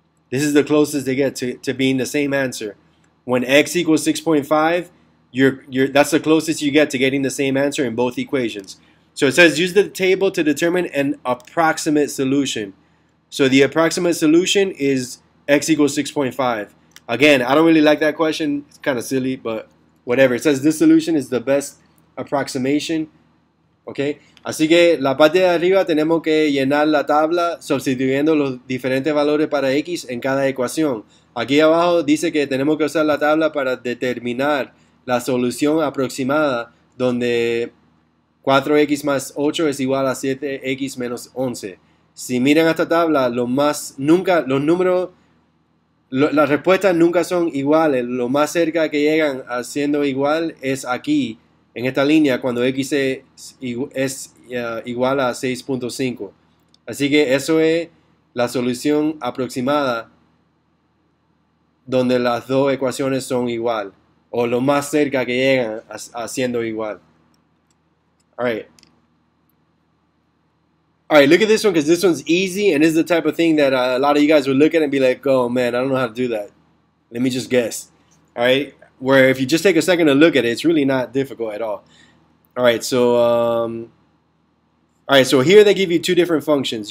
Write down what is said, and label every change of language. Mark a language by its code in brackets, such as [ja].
[en] This is the closest they get to being the same answer. When x equals 6.5, that's the closest you get to getting the same answer in both equations. So it says use the table to determine an approximate solution. So the approximate solution is x equals 6.5. Again, I don't really like that question. It's kind of silly, but whatever. It says this solution is the best approximation. Okay. [es] Así que la parte de arriba tenemos que llenar la tabla sustituyendo los diferentes valores para x en cada ecuación. Aquí abajo dice que tenemos que usar la tabla para determinar la solución aproximada donde 4x más 8 es igual a 7x menos 11. Si miran esta tabla, las respuestas nunca son iguales. Lo más cerca que llegan a siendo igual es aquí, en esta línea, cuando x es igual a 6.5. Así que eso es la solución aproximada donde las dos ecuaciones son igual, o lo más cerca que llegan a siendo igual. [en] All right, look at this one, because this one's easy and this is the type of thing that a lot of you guys would look at and be like, oh man, I don't know how to do that. Let me just guess. All right, where if you just take a second to look at it, it's really not difficult at all. All right, so here they give you two different functions.